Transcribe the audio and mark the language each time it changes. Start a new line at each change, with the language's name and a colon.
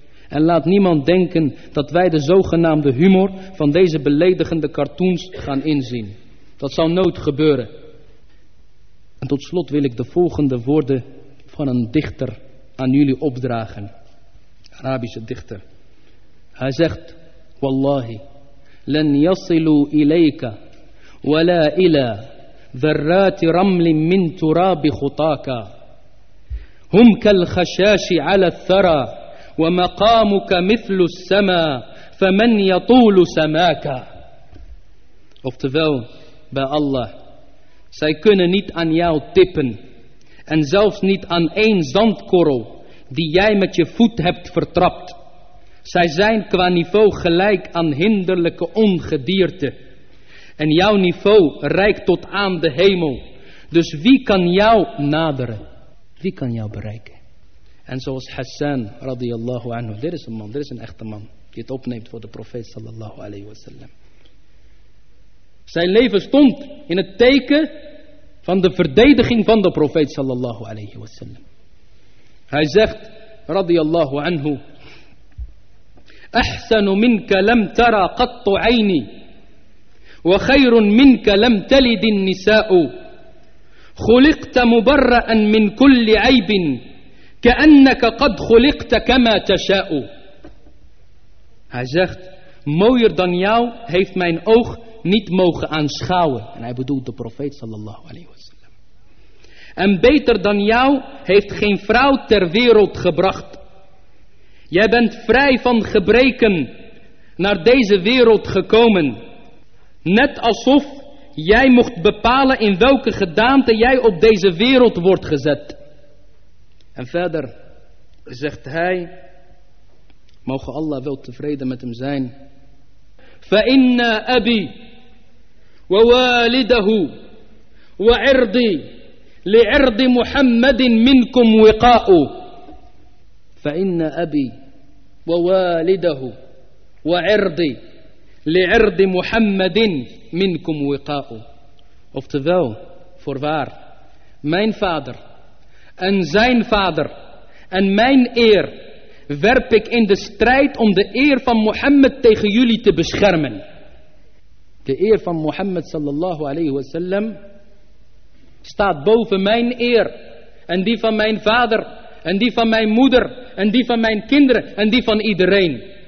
Dutch: En laat niemand denken dat wij de zogenaamde humor van deze beledigende cartoons gaan inzien. Dat zal nooit gebeuren. En tot slot wil ik de volgende woorden van een dichter aan jullie opdragen. Arabische dichter. Hij zegt:
Arabic: Wallahi, len yasilu ilayka, wala ila ذرات رمل من تراب خطاك هم كالخشاش على الثرى ومقامك مثل السماء فمن يطول سماك.
Dutch: Oftewel, bij Allah, zij kunnen niet aan jou tippen en zelfs niet aan één zandkorrel die jij met je voet hebt vertrapt. Zij zijn qua niveau gelijk aan hinderlijke ongedierte. En jouw niveau reikt tot aan de hemel. Dus wie kan jou naderen? Wie kan jou bereiken? En zoals Hassan radiyallahu anhu, dit is een man, dit is een echte man die het opneemt voor de profeet sallallahu alayhi wasallam. Zijn leven stond in het teken van de verdediging van de profeet sallallahu alayhi wasallam. Hij zegt
Arabic: radiyallahu anhu: Ahsanu minka lam tara qattu ayni. وخير منك لم تلد النساء خلقت مبرأ من كل عيب كأنك قد خلقت كما تشاء.
Dutch: Hij zegt: mooier dan jou heeft mijn oog niet mogen aanschouwen. En hij bedoelt de profeet sallallahu alayhi wasallam. En beter dan jou heeft geen vrouw ter wereld gebracht. Jij bent vrij van gebreken naar deze wereld gekomen, net alsof jij mocht bepalen in welke gedaante jij op deze wereld wordt gezet. En verder zegt hij, mogen Allah wel tevreden met hem zijn:
Arabic: فإن أبي ووالده وعرضي لعرض محمد منكم وقاء. فإن أبي ووالده وعرضي لعرض محمد منكم وقاء.
Dutch: Oftewel, voorwaar, mijn vader en zijn vader en mijn eer werp ik in de strijd om de eer van Mohammed tegen jullie te beschermen. De eer van Mohammed sallallahu alayhi wa sallam staat boven mijn eer en die van mijn vader en die van mijn moeder en die van mijn kinderen en die van iedereen.